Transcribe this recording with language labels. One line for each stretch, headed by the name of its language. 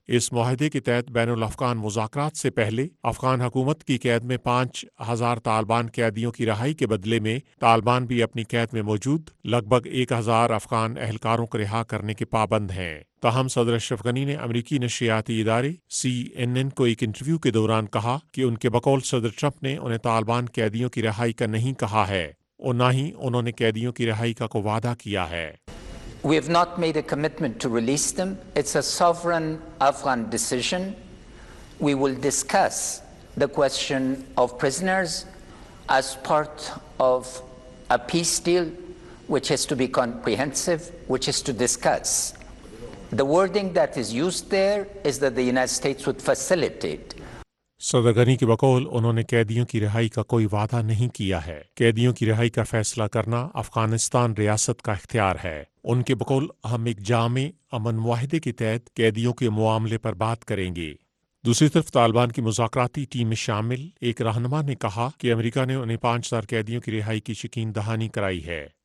Urdu: اس معاہدے کے تحت بین الافغان مذاکرات سے پہلے افغان حکومت کی قید میں 5,000 طالبان قیدیوں کی رہائی کے بدلے میں طالبان بھی اپنی قید میں موجود لگ بھگ 1,000 افغان اہلکاروں کو رہا کرنے کے پابند ہیں. تاہم صدر اشرف غنی نے امریکی نشریاتی ادارے CNN کو ایک انٹرویو کے دوران کہا کہ ان کے بقول صدر ٹرمپ نے انہیں طالبان قیدیوں کی رہائی کا نہیں کہا ہے اور نہ ہی انہوں نے قیدیوں کی رہائی کا کوئی وعدہ کیا ہے.
English: We have not made a commitment to release them. It's a sovereign Afghan decision. We will discuss the question of prisoners as part of a peace deal which has to be comprehensive, which is to discuss. The wording that is used there is that the United States would facilitate.
Urdu: صدر غنی کے بقول انہوں نے قیدیوں کی رہائی کا کوئی وعدہ نہیں کیا ہے. قیدیوں کی رہائی کا فیصلہ کرنا افغانستان ریاست کا اختیار ہے. ان کے بقول ہم ایک جامع امن معاہدے کے تحت قیدیوں کے معاملے پر بات کریں گے. دوسری طرف طالبان کی مذاکراتی ٹیم میں شامل ایک رہنما نے کہا کہ امریکہ نے انہیں 5,000 قیدیوں کی رہائی کی یقین دہانی کرائی ہے.